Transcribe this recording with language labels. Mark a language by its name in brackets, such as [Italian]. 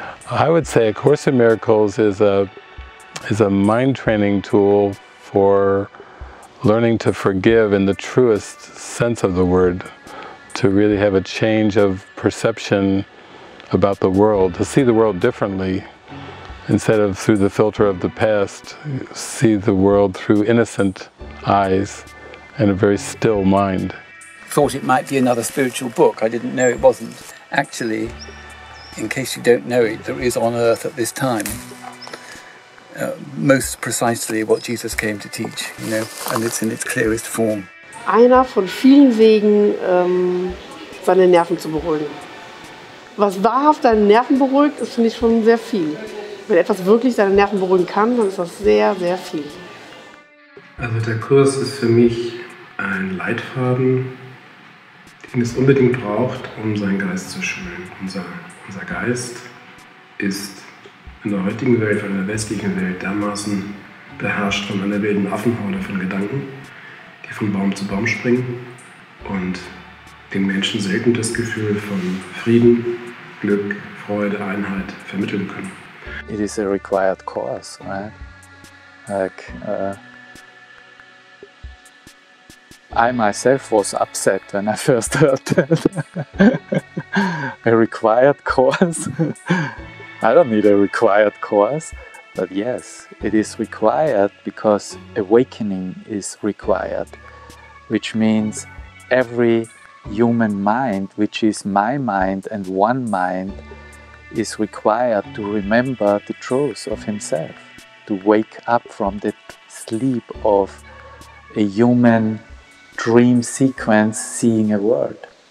[English] I would say A Course in Miracles is a mind training tool for learning to forgive in the truest sense of the word, to really have a change of perception about the world, to see the world differently instead of through the filter of the past, see the world through innocent eyes and a very still mind. I thought it might be another spiritual book. I didn't know it wasn't. Actually, in case you don't know it, there is on earth at this time most precisely what Jesus came to teach, you know, and it's in its clearest form. [German] Einer von vielen Wegen, seine Nerven zu beruhigen. Was wahrhaft deine Nerven beruhigt, ist, finde ich, schon sehr viel. Wenn etwas wirklich deine Nerven beruhigen kann, dann ist das sehr, sehr viel. Also der Kurs ist für mich ein Leitfaden, den es unbedingt braucht, um seinen Geist zu schulen. Unser Geist ist in der heutigen Welt, in der westlichen Welt, dermaßen beherrscht von einer wilden Affenhorde von Gedanken, die von Baum zu Baum springen und den Menschen selten das Gefühl von Frieden, Glück, Freude, Einheit vermitteln können. [English] It is a required course, right? Like, I myself was upset when I first heard that. A required course. I don't need a required course, but yes, it is required because awakening is required, which means every human mind, which is my mind and one mind, is required to remember the truth of himself, to wake up from the sleep of a human dream sequence seeing a world.